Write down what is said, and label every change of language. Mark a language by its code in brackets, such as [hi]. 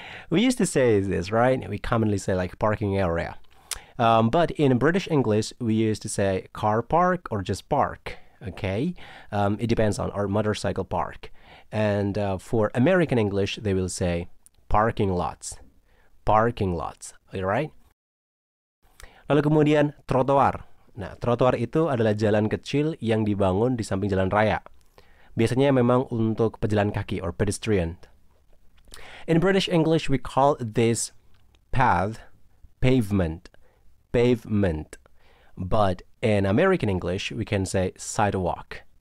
[en] We used to say this, right? We commonly say like parking area. But in British English, we used to say car park or just park, okay? It depends on our motorcycle park. And for American English, they will say parking lots. Parking lots, alright? [id] Lalu kemudian, trotoar. Nah, trotoar itu adalah jalan kecil yang dibangun di samping jalan raya. Biasanya memang untuk pejalan kaki or pedestrian. [en] In British English, we call this path pavement. Pavement. But in American English, we can say sidewalk.